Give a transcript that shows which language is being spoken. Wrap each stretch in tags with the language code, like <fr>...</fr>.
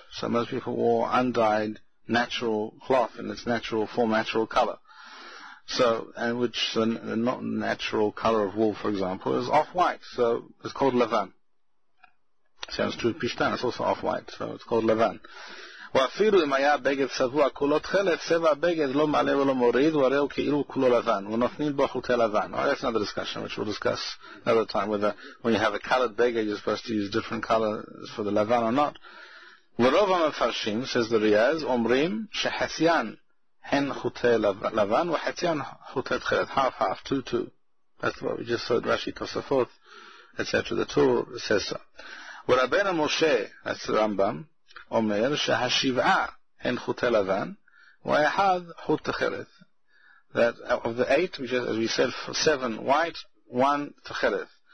<en>So most people wore undyed natural cloth in its natural form, natural color. So, and which the not natural color of wool, for example, is off-white. So it's called lavan. Sounds true, pishtan, it's also off-white, so it's called lavan.</en> <he>ואפילו אם היה בגד סבוע כולו תכלת, צבע בגד לא מעלה ולא מוריד, והרי הוא כאילו כולו לבן, ונותנים בו חוטי לבן.</he> <en>Well, that's another discussion, which we'll discuss another time, whether when you have a colored beggar, you're supposed to use different colors for the לבן or not.</en> <he>ורוב המפרשים,</he> <en>says the Riaz,</en> <he>אומרים שחציין הן חוטי לבן, וחציין חוטי תכלת,</he> <en>half-half, two-two. That's what we just said, Rashi, Tosafot, etc. The Torah says so.</en> <he>ורבינו משה,</he> <en>that's the Rambam,</en> <he>אומר שהשבעה הן חוטי לבן והאחד חוט תכלת.</he> <en>That of the eight, which is, as we said, seven white, one תכלת.</en>